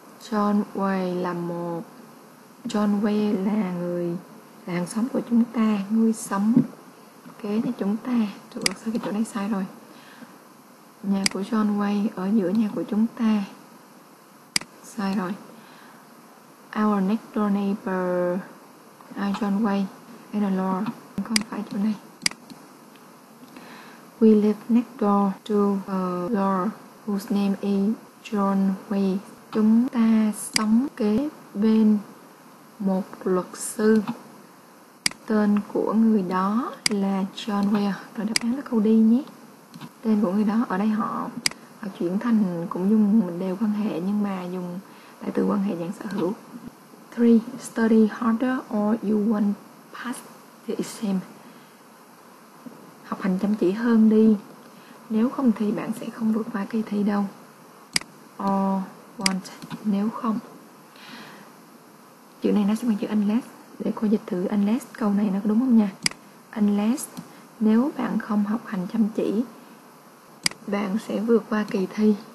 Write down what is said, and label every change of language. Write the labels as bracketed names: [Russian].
[Vietnamese] John Way là người, là hàng xóm của chúng ta, người sống kế nhà chúng ta. Chỗ đó sao, cái chỗ này sai rồi. Nhà của John Way ở giữa nhà của chúng ta. Sai rồi. [English] Our next door neighbor, John Way and a lawyer. [Vietnamese] Không phải chỗ này. [English] We live next door to a lawyer whose name is John Way. [Vietnamese] Chúng ta sống kế bên một luật sư. Tên của người đó là John Way. Rồi đáp án là câu D nhé. Tên của người đó ở đây họ chuyển thành cũng dùng mình đều quan hệ nhưng mà dùng lại từ quan hệ dạng sở hữu. 3. [English] Study harder or you won't pass the exam. [Vietnamese] Học hành chăm chỉ hơn đi. Nếu không thì bạn sẽ không vượt qua kỳ thi đâu. [English] Or want, [Vietnamese] nếu không. Chữ này nó sẽ bằng chữ unless. Để cô dịch thử unless câu này nó có đúng không nha. Unless, nếu bạn không học hành chăm chỉ, bạn sẽ vượt qua kỳ thi.